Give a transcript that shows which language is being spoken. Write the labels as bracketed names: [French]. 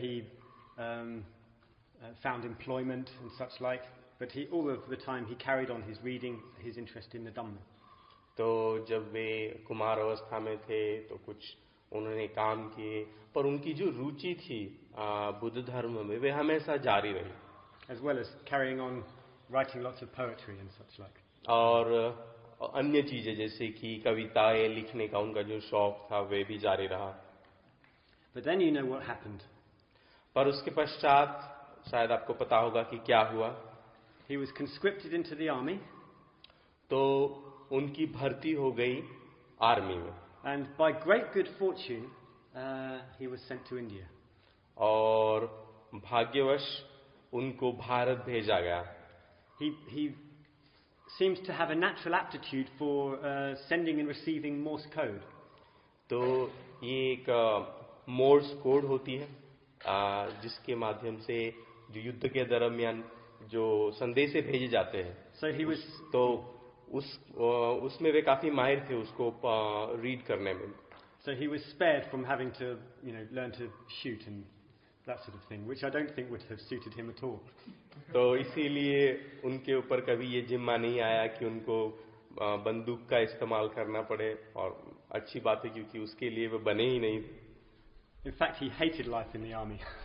[English] He found employment and such like. But he, all of the time, he carried on his reading, his interest in the Dhamma. [Hindi] तो जब वे कुमार अवस्था में थे तो कुछ उन्होंने काम किए, पर उनकी जो रुचि थी बुद्ध धर्म में वे हमेशा जारी रही. [English] As well as carrying on writing lots of poetry and such like. [Hindi] और अन्य चीजें जैसे कि कविताएं लिखने का उनका जो शौक था वे भी जारी रहा. [English] But then you know what happened. [Hindi] पर उसके पश्चात शायद आपको पता होगा कि क्या हुआ. [English] He was conscripted into the army. [Hindi] तो उनकी भर्ती हो गई आर्मी में. [English] And by great good fortune, he was sent to India. [Hindi] और भाग्यवश उनको भारत भेजा गया. [English] He seems to have a natural aptitude for sending and receiving Morse code. [Hindi] तो ये एक मोर्स कोड होती है जिसके माध्यम से जो युद्ध के दरमियान जो संदेश भेजे जाते हैं. [English] So he was [Hindi] तो उसमें वे काफी माहिर थे उसको रीड करने में. [English] So he was spared from having to, you know, learn to shoot and that sort of thing, which I don't think would have suited him at all. [Hindi] तो इसीलिए उनके ऊपर कभी ये जिम्मा नहीं आया कि उनको बंदूक का इस्तेमाल करना पड़े. और अच्छी बात है क्योंकि उसके लिए वे बने ही नहीं. [English] In fact, he hated life in the army.